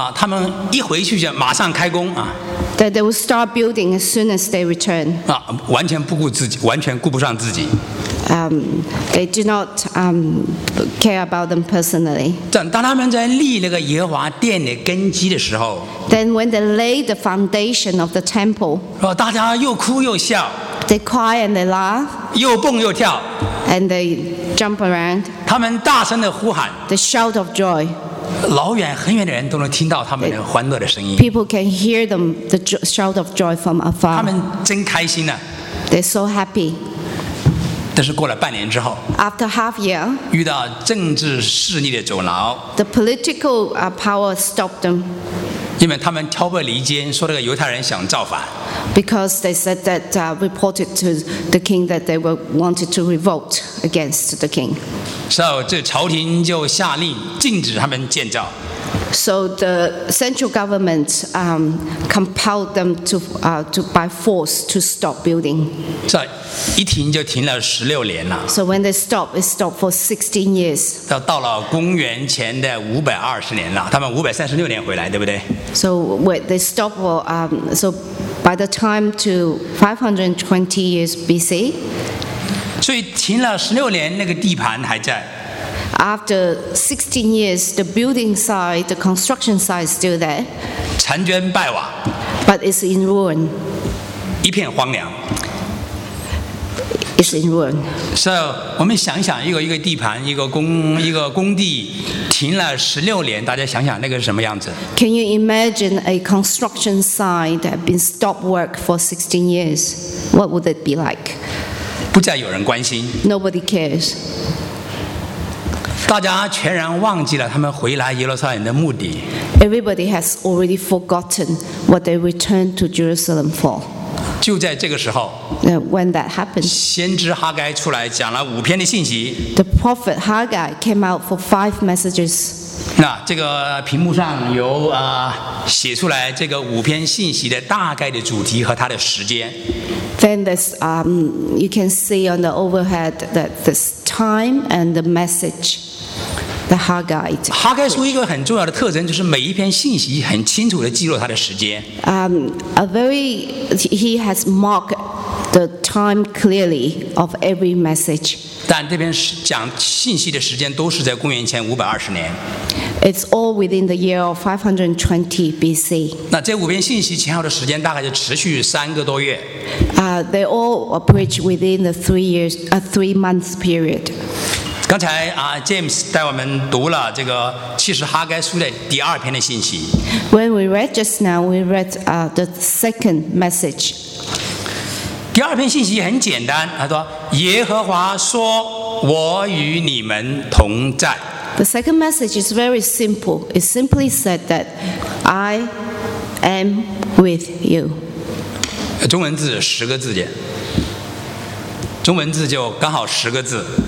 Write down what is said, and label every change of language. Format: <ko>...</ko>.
<zh>他们一回去就马上开工。</zh> <en>That they will start building as soon as they return。</en> <zh>完全不顾自己，完全顾不上自己。</zh> <en>They do not care about them personally。</en> <zh>当他们在立那个耶和华殿的根基的时候</zh> <en>，Then when they lay the foundation of the temple，</en> <zh>大家又哭又笑</zh> <en>，They cry and they laugh，</en> <zh>又蹦又跳</zh> <en>，And they jump around。</en> <zh>他们大声的呼喊</zh> <en>，They shout of joy。</en> <zh>老远很远的人都能听到他们的欢乐的声音。</zh> <en>People can hear them the shout of joy from afar。</en> <zh>他们真开心呢。</zh> <en>They're so happy。</en> <zh>但是过了半年之后</zh> <en>，After half year，</en> <zh>遇到政治势力的阻挠</zh> <en>，The political power stopped them。</en> <zh>因为他们挑拨离间，说这个犹太人想造反。</zh> <en>Because they said that reported to the king that they were wanted to revolt against the king。</en> <zh>所以这朝廷就下令禁止他们建造。</zh> <en>So the central government compelled them to by force to stop building.</en> <zh>一停就停了十六年了。</zh> <en>So when they stop, it stopped for 16 years.</en> <zh>到了公元前的五百二十年了，他们五百三十六年回来，对不对</zh> <en>？So when they stop for so by the time to 520 years BC.</en> <zh>所以停了十六年，那个地盘还在。</zh> <en>After 16 years, the building site, the construction site, is still there.</en> <zh>残捐败瓦。</zh> <en>But it's in ruin.</en> <zh>一片荒凉。</zh> <en>It's in ruin.</en> <zh>So, 我们想想一个地盘，一个工地停了十六年，大家想想那个是什么样子</zh> <en>？Can you imagine a construction site that been stopped work for 16 years? What would it be like?</en> <zh>不再有人关心。</zh> <en>Nobody cares.</en> <zh>大家全然忘记了他们回来耶路撒冷的目的。</zh> <en>Everybody has already forgotten what they returned to Jerusalem for.</en> <zh>就在这个时候</zh> <en>when that happened,</en> <zh>先知哈该出来讲了五篇的信息</zh> <en>The prophet Haggai came out for five messages</en> <zh>那这个屏幕上有写出来这个五篇信息的大概的主题和它的时间</zh> <en>Then this, you can see on the overhead that this time and the message the Haggai</en> <zh>哈该书一个很重要的特征就是每一篇信息很清楚地记录它的时间</zh> <en>He has marked the time clearly of every message.</en> <zh>但这边讲信息的时间都是在公元前五百二十年。</zh> <en>It's all within the year of 520 BC.</en> <zh>那这五篇信息前后的时间大概就持续三个多月。</zh> <en>They all preach within the three months period.</en> <zh>刚才James 带我们读了这个其实哈该书的第二篇的信息。</zh> <en>When we read just now, we read the second message.</en> <zh>第二篇信息很简单，他说：“耶和华说，我与你们同在。”</zh> <en>The second message is very simple. It simply said that I am with you.</en> <zh>中文字十个字的，中文字就刚好十个字。</zh>